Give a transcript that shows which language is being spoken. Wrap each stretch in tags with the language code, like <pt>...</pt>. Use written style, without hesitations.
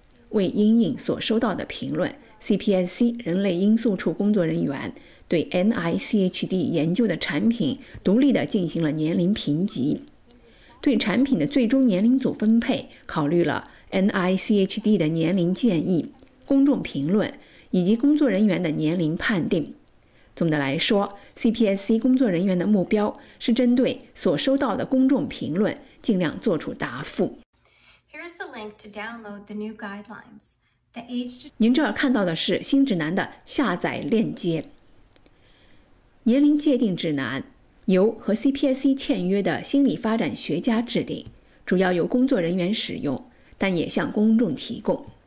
<zh>为因应所收到的评论， CPSC 人类因素处工作人员对 NICHD 研究的产品独立地进行了年龄评级，对产品的最终年龄组分配考虑了 NICHD 的年龄建议、公众评论以及工作人员的年龄判定。总的来说， CPSC 工作人员的目标是针对所收到的公众评论尽量做出答复。</zh> <en>Here's the link to download the new guidelines.</en> <zh>您这儿看到的是新指南的下载链接。年龄界定指南由和 CPSC 签约的心理发展学家制定，主要由工作人员使用，但也向公众提供。</zh>